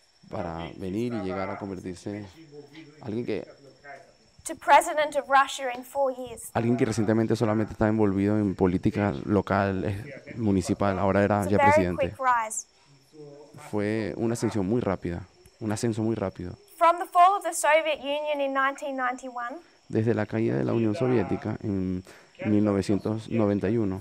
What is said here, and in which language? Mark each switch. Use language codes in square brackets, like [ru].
[es] Para venir y llegar a convertirse alguien que [en] to president of Russia in 4 years. [es] Alguien que recientemente solamente estaba envolvido en política local, municipal, ahora era ya presidente. Fue una ascensión muy rápida, un ascenso muy rápido. [en] From the fall of the Soviet Union in 1991. [es] Desde la caída de la Unión Soviética en 1991.